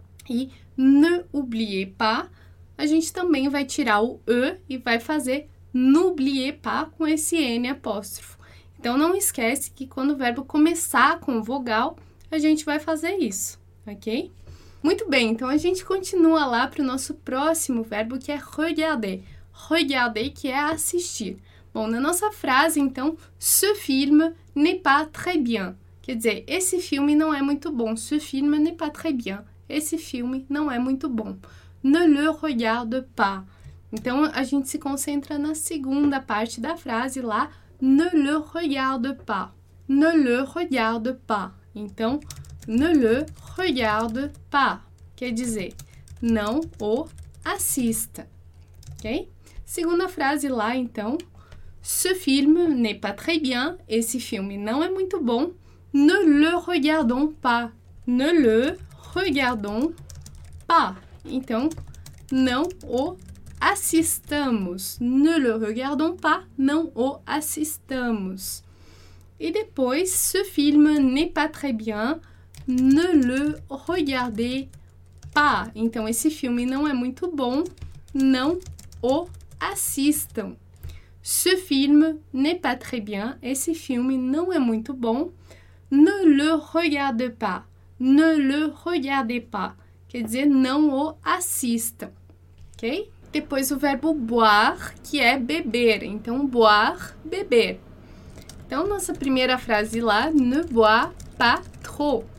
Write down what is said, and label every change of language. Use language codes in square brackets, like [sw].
[pt] E [fr] ne oubliez pas, [pt] a gente também vai tirar o e e vai fazer [fr] n'oubliez pas [pt] com esse n apóstrofo. Então, não esquece que quando o verbo começar com vogal, a gente vai fazer isso, ok? Muito bem, então a gente continua lá para o nosso próximo verbo, que é regarder. Regarder, que é assistir. Bom, na nossa frase, então, [fr] ce film n'est pas très bien. [pt] Quer dizer, esse filme não é muito bom. [fr] Ce film n'est pas très bien. [pt] Esse filme não é muito bom. [fr] Ne le regarde pas. [pt] Então, a gente se concentra na segunda parte da frase lá. [fr] Ne le regarde pas. Ne le regarde pas. Então, ne le regarde pas. [pt] Quer dizer, não o assista. Ok? Segunda frase lá, então. [fr] Ce film n'est pas très bien. [pt] Esse filme não é muito bom. [fr] Ne le regardons pas. Ne le regardons pas. [pt] Então, não o assistamos. [fr] Ne le regardons pas. [pt] Não o assistamos. E depois, [fr] ce film n'est pas très bien. Ne le regardez pas. [pt] Então, esse filme não é muito bom. Não o assistam. [fr] Ce film n'est pas très bien. [pt] Esse filme não é muito bom. [fr] Ne le regardez pas. Ne le regardez pas. [pt] Quer dizer, não o assistam. Ok? Depois o verbo boire, que é beber. Então, boire, beber. Então, nossa primeira frase lá, [fr] ne bois pas trop.